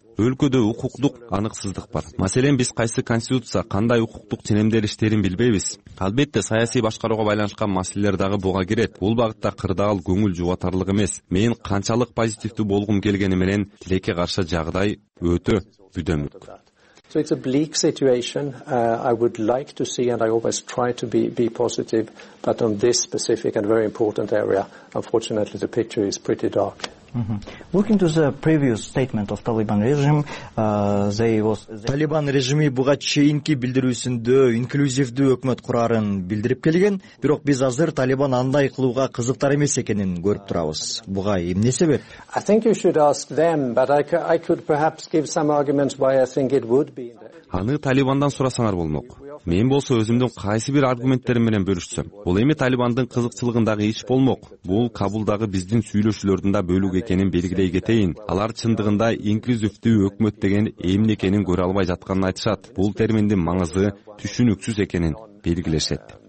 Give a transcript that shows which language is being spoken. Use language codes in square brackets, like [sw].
[ky] Өлкөдө укуктук аныксыздык бар. Маселен, биз кайсы конституция, кандай укуктук ченемделиштерин билбейбиз. Албетте, саясий башкарууга байланышкан маселелер дагы буга кирет. Бул багытта кырдаал көңүл жубатарлык эмес. Мен канчалык позитивдүү болгум келгени менен тилекке каршы жагдай өтө бүдөмүк. [en] So it's a bleak situation. I would like to see, and I always try to be positive, but on this specific and very important area, unfortunately, the picture is pretty dark. Mm-hmm. Looking to the previous statement of Taliban regime, [ky] Taliban режими буга чейинки билдирүүсүндө инклюзивдүү өкмөт курарын билдирип келген, бирок биз азыр Taliban андай кылууга кызыктар эмес экенин көрүп турабыз. Буга эмне себеп? [en] I think you should ask them, but I could perhaps give some arguments why I think it would be. [ky] Аны Талибандан сурасаңар болмок. Мен болсо өзүмдүн кайсы бир аргументтерим менен бөлүшсөм, бул эми Талибандын кызыкчылыгындагы иш болмок. Бул Кабулдагы биздин сүйлөшүүлөрдүн да бөлүк экенин белгилей кетейин. Алар чындыгында инклюзивдүү өкмөт деген эмне экенин көрө албай жатканын айтышат. Бул терминдин маңызы түшүнүксүз экенин белгилешет.